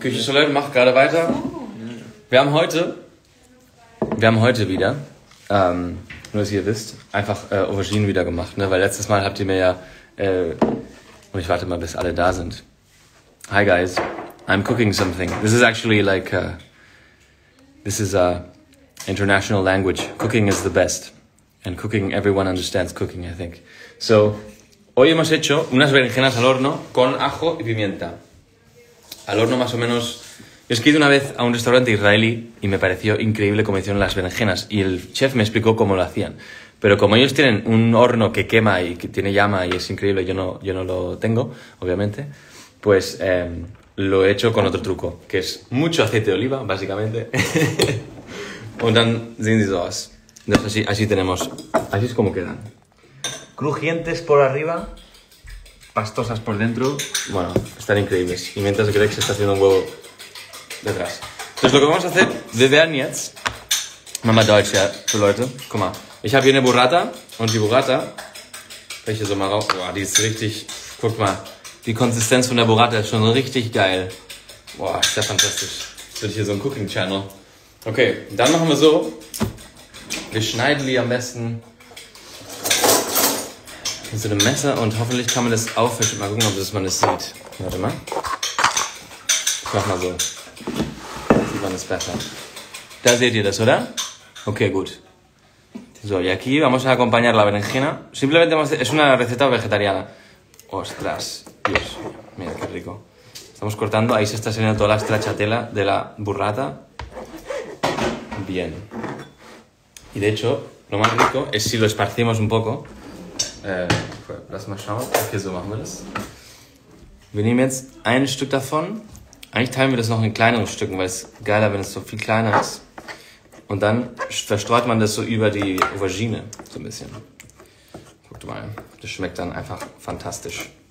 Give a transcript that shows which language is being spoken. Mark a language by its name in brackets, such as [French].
[German] Küchentoilette macht gerade weiter. Wir haben heute wieder, nur dass ihr wisst, einfach Auberginen wieder gemacht, ne? Weil letztes Mal habt ihr mir ja, und ich warte mal, bis alle da sind. [English] Hi guys, I'm cooking something. This is actually like, this is a international language. Cooking is the best. And cooking, everyone understands cooking, I think. [Spanish] So, hoy hemos hecho unas berenjenas al horno con ajo y pimienta. Al horno más o menos. Yo es que he ido una vez a un restaurante israelí y me pareció increíble cómo hicieron las berenjenas. Y el chef me explicó cómo lo hacían. Pero como ellos tienen un horno que quema y que tiene llama y es increíble, yo no lo tengo, obviamente, pues lo he hecho con otro truco, que es mucho aceite de oliva, básicamente. [German] Und dann sind sie so aus. [Spanish] Entonces así tenemos, así es como quedan. Crujientes por arriba, pastosas por dentro. Bueno, están increíbles. Y mientras Greg se está haciendo un huevo detrás. Entonces lo que vamos a hacer, [German] wir werden jetzt, Mama Deutsch, ja, für Leute, guck mal. Ich habe hier eine Burrata und die Burrata, welche so mal raus, boah, die ist richtig, guck mal, die Konsistenz von der Burrata ist schon richtig geil. Boah, ist ja fantastisch. Jetzt wird hier so ein Cooking Channel. Okay, dann machen wir so. Wir schneiden die am besten mit so einem Messer und hoffentlich kann man das aufwischen. Mal gucken, ob das man das sieht. Warte mal. Ich mach mal so. Sieht man das besser. Da seht ihr das, oder? Okay, gut. [Spanish] So, y aquí vamos a acompañar la berenjena. Simplemente vamos a hacer, es una receta vegetariana. Ostras, Dios. Mira, qué rico. Estamos cortando. Ahí se está saliendo toda la stracciatella de la burrata. Bien. Y de hecho, lo más rico es si lo esparcimos un poco. [German] Lass mal schauen. Okay, so machen wir das. Wir nehmen jetzt ein Stück davon. Eigentlich teilen wir das noch in kleineren Stücken, weil es geiler, wenn es so viel kleiner ist. Und dann verstreut man das so über die Aubergine so ein bisschen. Guckt mal, das schmeckt dann einfach fantastisch.